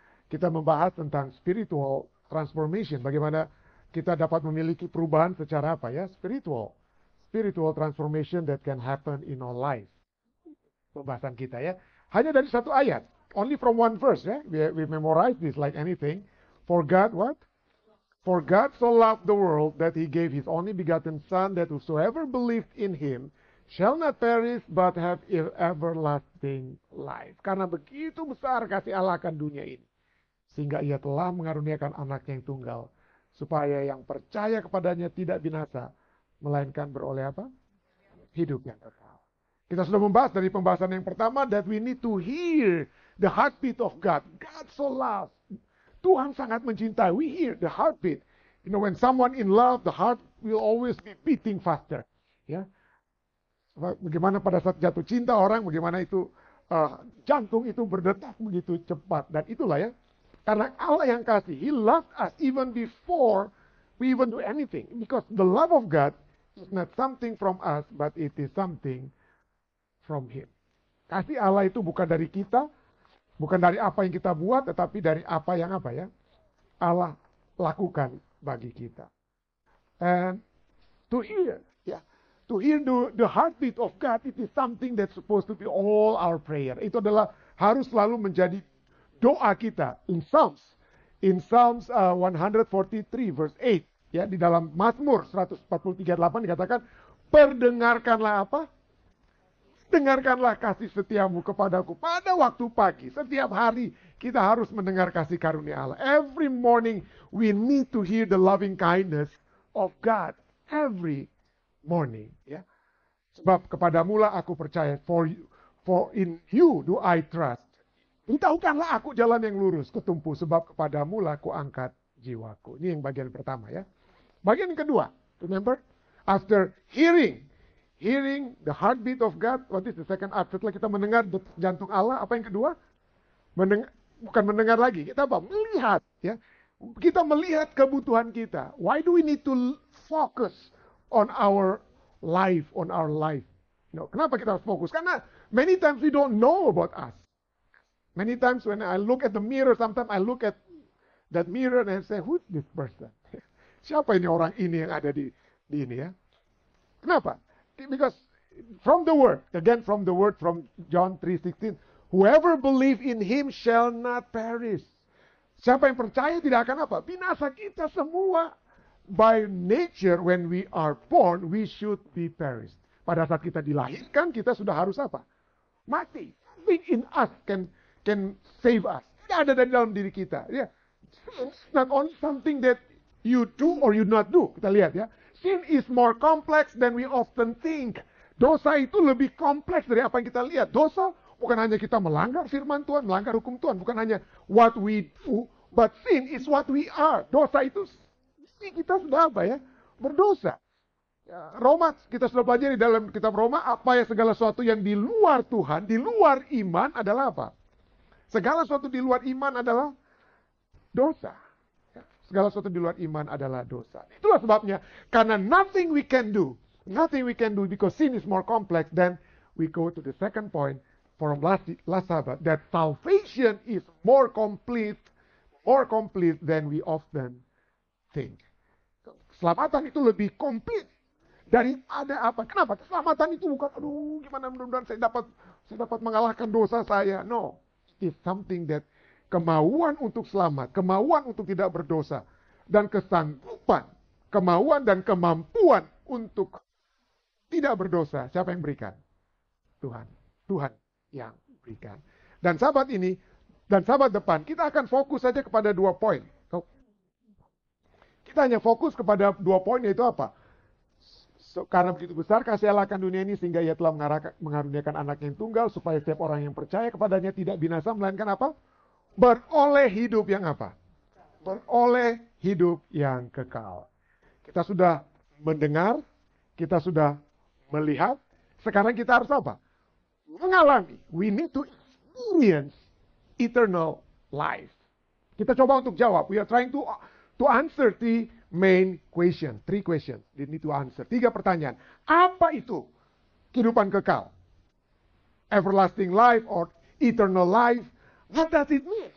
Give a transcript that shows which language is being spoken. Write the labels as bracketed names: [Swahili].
[Indonesian] Kita membahas tentang [English] spiritual transformation, [Indonesian] bagaimana kita dapat memiliki perubahan secara apa ya? [English] Spiritual. Spiritual transformation that can happen in our life. [Indonesian] Pembahasan kita ya. Hanya dari satu ayat. [English] Only from one verse ya. We memorize this like anything. For God what? For God so loved the world that he gave his only begotten son that whosoever believed in him shall not perish, but have everlasting life. [Indonesian] Karena begitu besar kasih Allah akan dunia ini, sehingga ia telah mengaruniakan anak yang tunggal, supaya yang percaya kepadanya tidak binasa, melainkan beroleh apa? Hidup yang kekal. Kita sudah membahas dari pembahasan yang pertama, [English] that we need to hear the heartbeat of God. God so loves. [Indonesian] Tuhan sangat mencintai. [English] We hear the heartbeat. You know, when someone in love, the heart will always be beating faster. Ya. [Indonesian] Bagaimana pada saat jatuh cinta orang, bagaimana itu jantung itu berdetak begitu cepat. Dan itulah ya, karena Allah yang kasih. [English] He loved us even before we even do anything. Because the love of God is not something from us, but it is something from him. [Indonesian] Kasih Allah itu bukan dari kita, bukan dari apa yang kita buat, tetapi dari apa yang apa ya, Allah lakukan bagi kita. [English] And to hear. To hear the heartbeat of God, it is something that's supposed to be all our prayer. [Indonesian] Itu adalah harus selalu menjadi doa kita. [English] In Psalms 143 verse 8, [Indonesian] ya di dalam Mazmur 143:8 dikatakan, perdengarkanlah apa? Dengarkanlah kasih setiamu kepadaku pada waktu pagi. Setiap hari kita harus mendengar kasih karunia Allah. [English] Every morning we need to hear the loving kindness of God. Every morning, ya. [Indonesian] Sebab kepadamulah aku percaya. [English] For in you do I trust. [Indonesian] Beritahukanlah aku jalan yang lurus, ketumpu. Sebab kepadamulah aku angkat jiwaku. Ini yang bagian pertama, ya. Bagian yang kedua, [English] remember? After hearing the heartbeat of God. What is the second act? [Indonesian] Setelah kita mendengar jantung Allah, apa yang kedua? Bukan mendengar lagi. Kita apa? Melihat, ya. Kita melihat kebutuhan kita. [English] Why do we need to focus on our life. You know, [Indonesian] kenapa kita harus fokus? [English] Karena many times we don't know about us. Many times when I look at the mirror, sometimes I look at that mirror and say, who's this person? [Indonesian] Siapa ini orang ini yang ada di ini ya? Kenapa? [English] Because from the word, from John 3:16, whoever believe in him shall not perish. [Indonesian] Siapa yang percaya tidak akan apa? Binasa kita semua. [English] By nature, when we are born, we should be perished. [Indonesian] Pada saat kita dilahirkan, kita sudah harus apa? Mati. [English] Nothing in us can save us. [Indonesian] Tidak ada dari dalam diri kita. Yeah. [English] It's not only something that you do or you not do. [Indonesian] Kita lihat ya. [English] Sin is more complex than we often think. [Indonesian] Dosa itu lebih kompleks dari apa yang kita lihat. Dosa bukan hanya kita melanggar firman Tuhan, melanggar hukum Tuhan. Bukan hanya [English] what we do, but sin is what we are. [Indonesian] Dosa itu kita sudah apa ya? Berdosa. Roma, kita sudah pelajari dalam kitab Roma, apa ya segala sesuatu yang di luar Tuhan, di luar iman adalah apa? Segala sesuatu di luar iman adalah dosa. Segala sesuatu di luar iman adalah dosa. Itulah sebabnya, karena [English] nothing we can do, because sin is more complex, then we go to the second point from last Sabbath, that salvation is more complete than we often think. [Indonesian] Keselamatan itu lebih komplit daripada apa? Kenapa? Keselamatan itu bukan, aduh, gimana mudah-mudahan saya dapat mengalahkan dosa saya. No. [English] It's something that [Indonesian] kemauan untuk selamat, kemauan untuk tidak berdosa, dan kesanggupan, kemauan dan kemampuan untuk tidak berdosa. Siapa yang berikan? Tuhan. Tuhan yang berikan. Dan sahabat ini, dan sahabat depan, kita akan fokus saja kepada dua poin. Kita hanya fokus kepada dua poin, yaitu apa? Karena begitu besar kasih Allah akan dunia ini, sehingga ia telah mengaruniakan anak yang tunggal, supaya setiap orang yang percaya kepadanya tidak binasa, melainkan apa? Beroleh hidup yang apa? Beroleh hidup yang kekal. Kita sudah mendengar, kita sudah melihat, sekarang kita harus apa? Mengalami. [English] We need to experience eternal life. [Indonesian] Kita coba untuk jawab. [English] We are trying to answer the main question. Three questions. You need to answer. [Indonesian] Tiga pertanyaan. Apa itu kehidupan kekal? [English] everlasting life or eternal life. What does it mean?